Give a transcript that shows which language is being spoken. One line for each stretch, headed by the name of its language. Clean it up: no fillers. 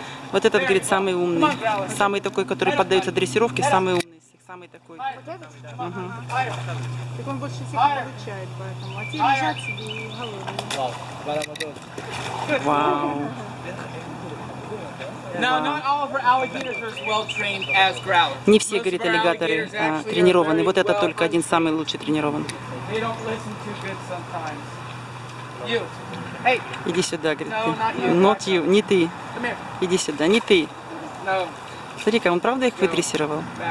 Russian: Вот этот, говорит, самый умный, самый такой, который поддается дрессировке, самый умный. Самый такой. Вот этот? Так он больше всех получает, поэтому. А те лежат себе и голодные. Вау.
English: Now, not all of our alligators are as well trained as growlers.
Russian: Не все, говорит, аллигаторы тренированы. Вот этот только один самый лучший тренирован.
English: They don't listen too good sometimes. You. Hey.
Russian: Иди сюда, говорит.
English: No, not you. Not you.
Russian: Не ты.
English: Come here.
Russian: Иди сюда. Не ты.
English: No.
Russian: Смотри-ка, он правда их выдрессировал?